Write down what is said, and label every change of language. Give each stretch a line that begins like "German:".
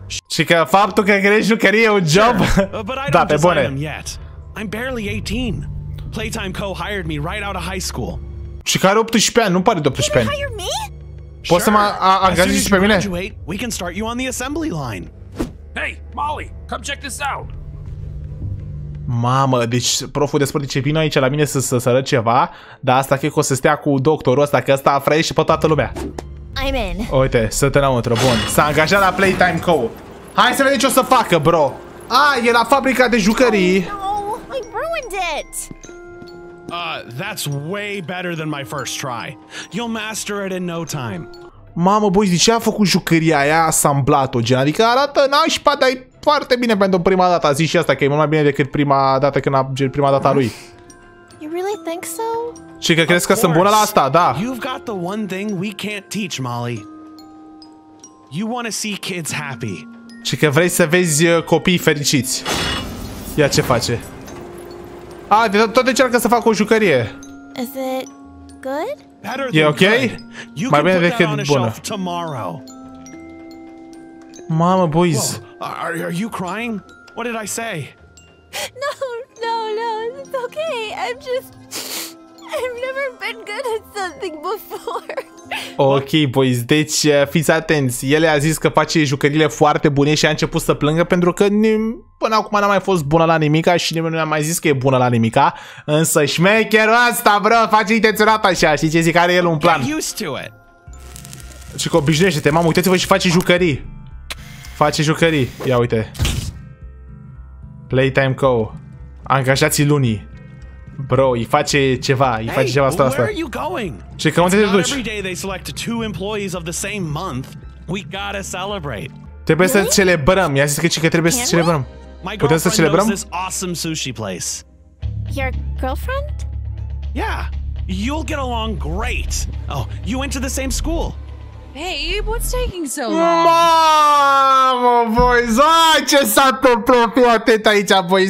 Romanian: Și că faptul că crezi jucărie e un job? Da, pe bune.
English: I'm barely 18. Playtime Co hired me right out of high school.
Romanian: Și că are 18 ani, nu pare de 18 ani. Poți Să mă angajezi și pe mine?
English: We can start you on the assembly line. Hey, Molly, come check this out.
Romanian: Mamă, deci proful de sport zice, vino aici la mine să arăt ceva, dar asta cred că o să stea cu doctorul ăsta, că ăsta afraiește pe toată lumea.
English: I'm in.
Romanian: Uite, să te înăuntru, bun. S-a angajat la Playtime Co. Hai să vedem ce o să facă, bro. Ah, e la fabrica de jucării.
English: Oh, no, I ruined it. That's way better than my first try. You'll master it in no time.
Romanian: Mamă, boi, de ce a făcut jucăria aia asamblat-o, gen? Adică arată nașpa, dar e foarte bine pentru prima dată. A zis și asta că e mult mai bine decât prima dată când a gen, prima dată a lui.
English: You really think so?
Romanian: Și că crezi că sunt bună la asta, da.
English: You've got the one thing we can't teach, Molly. You want to see kids happy.
Romanian: Și că vrei să vezi copii fericiți. Ia ce face. A, de tot încearcă să facă o jucărie.
English: Is it good?
Romanian: E ok? Mai bine decât bună. Mamă, boys.
English: Are you crying? What did I say? No, no, no, it's ok. I'm just... I've never been good at something before.
Romanian: Ok, boys, deci fiți atenți. El a zis că face jucările foarte bune și a început să plângă pentru că până acum n-a mai fost bună la nimica și nimeni nu i-a mai zis că e bună la nimica. Însă șmecherul ăsta, bro, face intenționat așa, știi ce zic, are el un plan. Și că obișnuiește-te, mamă, uitați-vă și face jucării. Face jucării, ia uite. Playtime Co. Angajații lunii. Bro, îi face ceva, îi face ceva asta.
English: Where are you going?
Romanian: Ce, că unde te duci?
English: Every day they select two employees of the same month. We gotta celebrate.
Romanian: Trebuie să celebrăm. I-a zis că ce că trebuie să celebrăm. Putem să celebrăm?
English: This awesome sushi place. Your girlfriend? Yeah. You'll get along great. Oh, you went to the same school. Babe, what's taking so long?
Romanian: Mamă, voi, ce s-a întâmplat pe atent aici, voi.